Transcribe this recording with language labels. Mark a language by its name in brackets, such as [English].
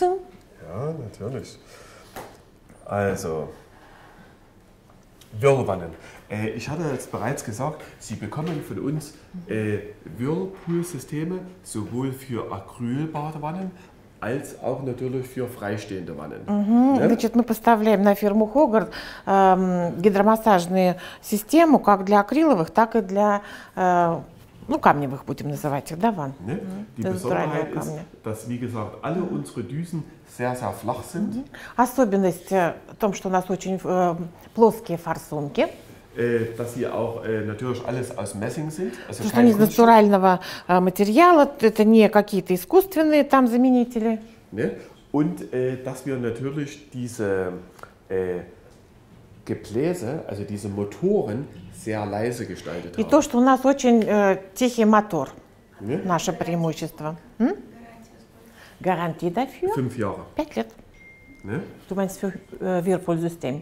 [German] Ja, natürlich. Also Whirlwannen. Ich hatte jetzt bereits gesagt, Sie bekommen von uns Whirlpool-Systeme sowohl für Acrylbadewannen als auch natürlich für freistehende Wannen. [Russian] Значит, мы поставляем на фирму Hogart гидромассажные системы как для акриловых, так и для ну, камневых, будем называть их, да, ванн. [German] Ne? Die Besonderheit ist, dass, wie gesagt, alle unsere Düsen sehr, sehr flach sind. [Russian] Особенность в том, что у нас очень плоские форсунки. [German] Dass sie auch natürlich alles aus Messing sind. Also [Russian] что не из натурального материала, это не какие-то искусственные там заменители. [German] Ne? Und dass wir natürlich diese Gebläse, also diese Motoren, sehr leise gestaltet haben. [Russian] И то, что у нас очень тихий мотор, наше преимущество. Гарантия dafür? [German] 5 Jahre. [Russian] 5 лет. [German] Ne? Du meinst für Whirlpool-System?